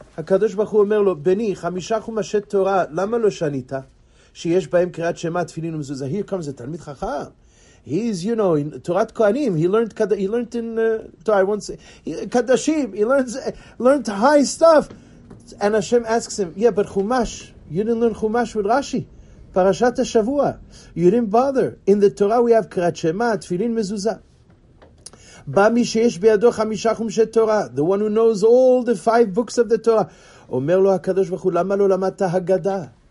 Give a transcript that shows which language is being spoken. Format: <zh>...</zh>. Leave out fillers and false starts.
<he>הקדוש ברוך הוא אומר לו, בני, חמישה חומשי תורה, למה לא שנית? שיש בהם קריאת שמה, תפילין ומזוזה.</he> <en>Here comes a תלמיד חכם. He is, you know, in תורת כהנים. He learned in, I won't say, קדשים. He learned high stuff. And Hashem asks him, yeah, but חומש, you didn't learn חומש with Rashi.</en> <he>פרשת השבוע.</he> <en>You didn't bother. In the Torah we have</en> <he>קריאת שמה, תפילין מזוזה. בא מי שיש בידו חמישה חומשי תורה,</he> <en>the one who knows all the five books of the Torah,</en> <he>אומר לו הקדוש ברוך הוא, למה לא למדת הגדה?</he>